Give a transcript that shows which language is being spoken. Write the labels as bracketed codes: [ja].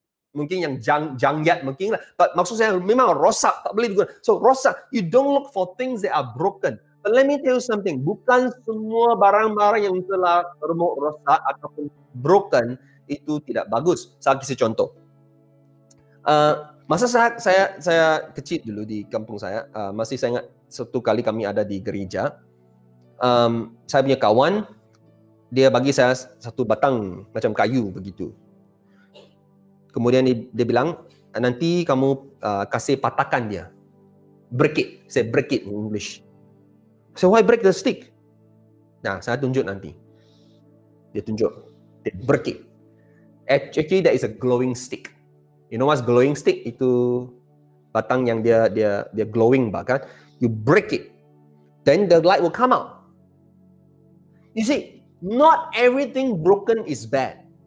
[ms] Mungkin yang jangyat mungkin lah. But maksud saya memang rosak. Tak boleh digunakan. So rosak. [en] You don't look for things that are broken. But let me tell you something. [ms] Bukan semua barang-barang yang telah remuk rosak ataupun broken itu tidak bagus. Saya kasih contoh. Masa saya kecil dulu di kampung saya, masih saya ingat satu kali kami ada di gereja, saya punya kawan, dia bagi saya satu batang macam kayu begitu. Kemudian dia bilang, nanti kamu kasih patahkan dia. [en] Break it. Saya break it in English. So why break the stick? [ms] Nah, saya tunjuk nanti. Dia tunjuk. [en] Dia break it. Actually, that is a glowing stick. You know what's glowing stick? [ms] Itu batang yang dia glowing bahkan. [en] You break it, then the light will come out. You see, not everything broken is bad.